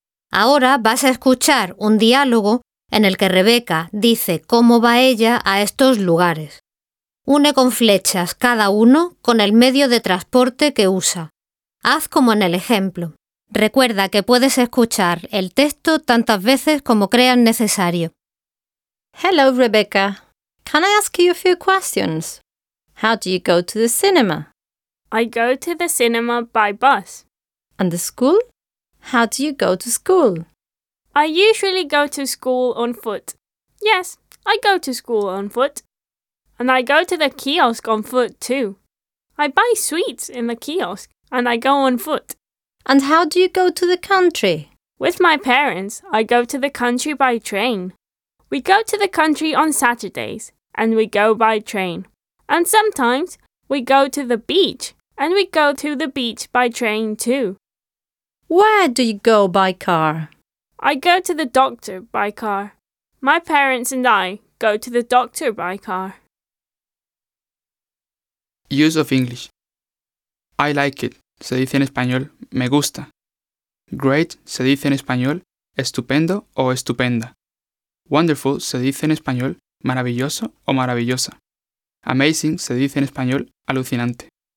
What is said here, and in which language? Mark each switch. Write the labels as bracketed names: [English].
[Spanish] Ahora vas a escuchar un diálogo en el que Rebeca dice cómo va ella a estos lugares. Une con flechas cada uno con el medio de transporte que usa. Haz como en el ejemplo. Recuerda que puedes escuchar el texto tantas veces como creas necesario. [English] Hello, Rebecca. Can I ask you a few questions? How do you go to the cinema? I go to the cinema by bus. And the school? How do you go to school? I usually go to school on foot. Yes, I go to school on foot. And I go to the kiosk on foot too. I buy sweets in the kiosk and I go on foot. And how do you go to the country? With my parents, I go to the country by train. We go to the country on Saturdays, and we go by train. And sometimes, we go to the beach, and we go to the beach by train too. Where do you go by car? I go to the doctor by car. My parents and I go to the doctor by car. Use of English. I like it. [Spanish] Se dice en español, me gusta. Great se dice en español, estupendo o estupenda. Wonderful se dice en español, maravilloso o maravillosa. Amazing se dice en español, alucinante.